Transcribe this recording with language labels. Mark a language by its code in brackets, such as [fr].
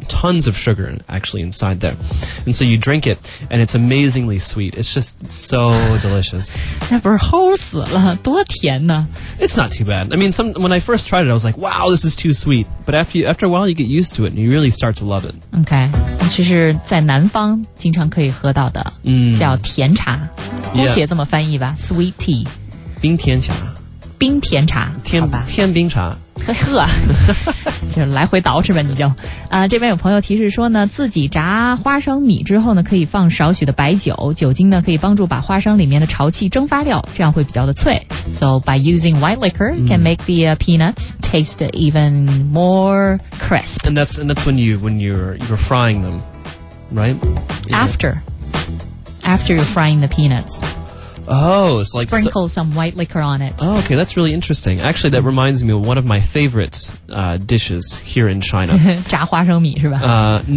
[en] Tons of sugar actually inside there. And so you drink it and it's amazingly sweet. It's just so delicious. [zh] 那不是齁死了,多甜呢? [en] It's not too bad. I mean, when I first tried it, I was like, wow, this is too sweet. But after a while, you get used to it and you really start to love it. Okay. [zh] 其实在南方经常可以喝到 叫甜茶 姑且这么翻译吧 Sweet tea 冰甜茶天冰茶来回捯饬吧你就 这边有朋友提示说呢 自己炸花生米之后呢 可以放少许的白酒 酒精呢 可以帮助把花生里面的潮气蒸发掉 这样会比较的脆 [en] So by using white liquor can make the peanuts taste even more crisp. And that's when you're frying them, right? Yeah. After you're frying the peanuts. Oh, it's like sprinkle some white liquor on it. Oh, okay, that's really interesting. Actually, that reminds me of one of my favorite dishes here in China. [zh] 炸花生米是吧?